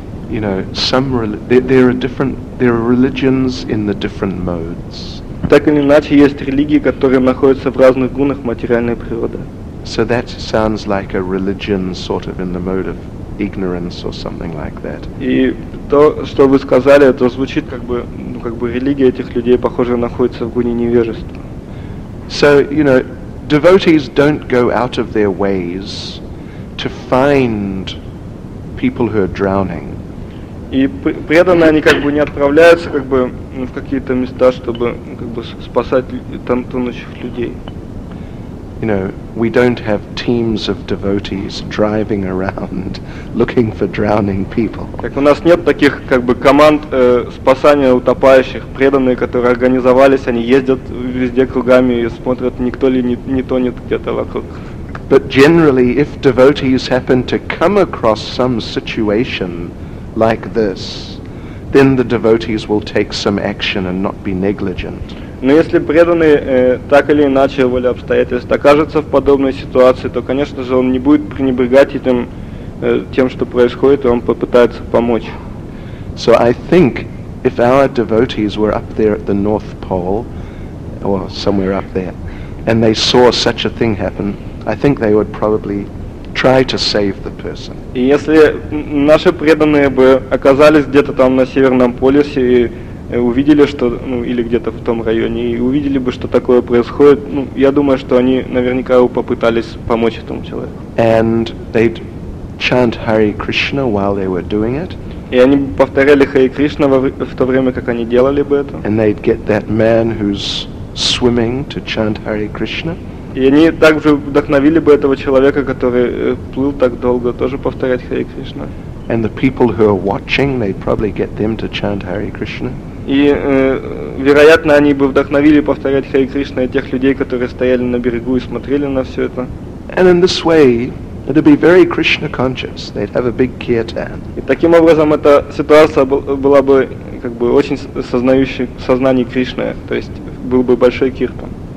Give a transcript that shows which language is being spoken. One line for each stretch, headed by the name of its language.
English: You know, some there are religions in the different modes.
Russian: Так или иначе, есть религии, которые находятся в разных гунах материальной природы.
English: So that sounds like a religion sort of in the mode of ignorance or something like that.
Russian: И то, что вы сказали, это звучит как бы, ну, как бы религия этих людей, похоже, находится в гуне невежества.
English: So, you know, devotees don't go out of their ways to find people who are drowning.
Russian: И преданные они как бы не отправляются как бы в какие-то места, чтобы как бы спасать там тонущих людей.
English: You know, we don't have teams of devotees driving around looking for drowning people.
Russian: Так у нас нет таких как бы команд спасания утопающих. Преданные, которые организовались, они ездят везде кругами и смотрят, никто ли не тонет где-то вокруг.
English: But generally, if devotees happen to come across some situation like this, then the devotees will take some action and not be negligent.
Russian: Но если преданный так или иначе воле обстоятельств окажется в подобной ситуации, то, конечно же, он не будет пренебрегать этим тем, что происходит, и он попытается помочь.
English: So I think if our devotees were up there at the North Pole or somewhere up there, and they saw such a thing happen, I think they would probably try to save the person.
Russian: И если наши преданные бы оказались где-то там на Северном полюсе и увидели, что, ну, или где-то в том районе, и увидели бы, что такое происходит, ну, я думаю, что они наверняка попытались помочь этому человеку.
English: And they'd chant Hare Krishna while they were doing it.
Russian: И они повторяли Хари Кришна в то время, как они делали бы это.
English: And they'd get that man who's swimming to chant Hare Krishna.
Russian: И они также вдохновили бы этого человека, который плыл так долго, тоже повторять Хари Кришна.
English: And the people who are watching, they'd probably get them to chant Hari Krishna.
Russian: И вероятно, они бы вдохновили повторять Хари Кришна тех людей, которые стояли на берегу и смотрели на все это.
English: And in this way, it'd be very Krishna conscious. They'd have a big kirtan.
Russian: И таким образом эта ситуация была бы как бы очень сознающей сознание Кришны, то есть был бы большой киртан.